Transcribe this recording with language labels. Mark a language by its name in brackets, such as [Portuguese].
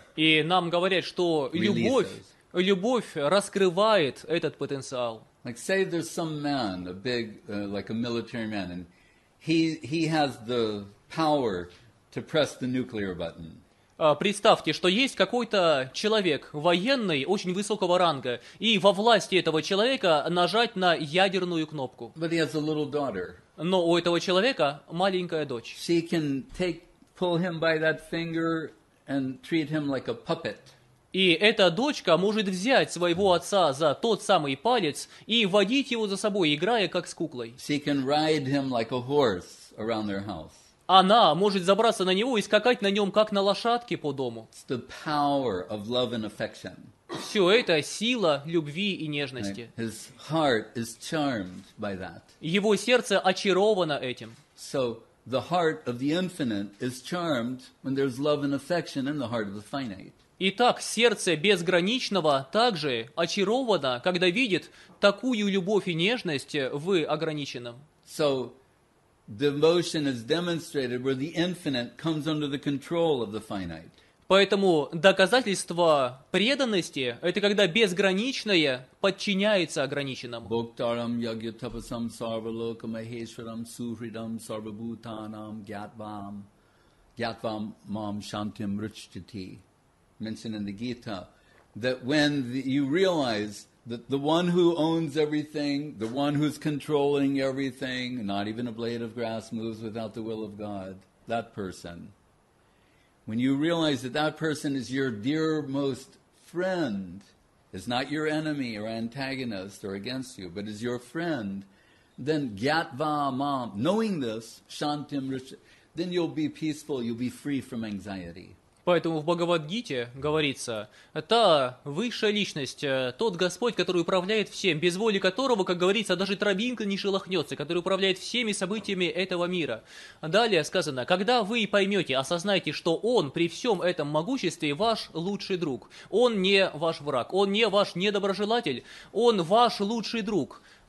[Russian] И нам говорят, что любовь раскрывает этот потенциал. [English] Like say there's some man, a big like a military man, and he has the power to press the nuclear button. [Russian] Представьте, что есть какой-то человек военный, очень высокого ранга, и во власти этого человека нажать на ядерную кнопку. [English] But he has a little daughter. [Russian] Но у этого человека маленькая дочь. [English] She can take pull him by that finger and treat him like a puppet. [Russian] И эта дочка может взять своего отца за тот самый палец и водить его за собой, играя как с куклой. [English] She can ride him like a horse around their house. [Russian] Она может забраться на него и скакать на нем, как на лошадке по дому. [English] It's the power of love and affection. [Russian] Все это сила любви и нежности. [English] Right? His heart is charmed by that. [Russian] Его сердце очаровано этим. [English] So, the heart of the infinite is charmed when there's love and affection in the heart of the finite. [Russian] Итак, сердце безграничного также очаровано, когда видит такую любовь и нежность в ограниченном. [English] So, devotion is demonstrated where the infinite comes under the control of the finite. [Russian] Поэтому доказательство преданности – это когда безграничное подчиняется ограниченному. [Sanskrit] Бхактарам ягья тапасам сарвалока махешварам сухридам сарвабутанам гятвам мам шантим ручтити. [English] Mentioned in the Gita that when you realize that the one who owns everything, the one who's controlling everything, not even a blade of grass moves without the will of God, that person. When you realize that that person is your dear most friend, is not your enemy or antagonist or against you, but is your friend, then [Sanskrit] gyatva mam, [English] knowing this, [Sanskrit] shantim rishi, [English] then you'll be peaceful, you'll be free from anxiety. [Russian] Поэтому в Бхагавад-гите говорится, та высшая личность, тот Господь, который управляет всем, без воли которого, как говорится, даже травинка не шелохнется, который управляет всеми событиями этого мира. Далее сказано, когда вы поймете, осознаете, что Он при всем этом могуществе ваш лучший друг, Он не ваш враг, Он не ваш недоброжелатель, Он ваш лучший друг.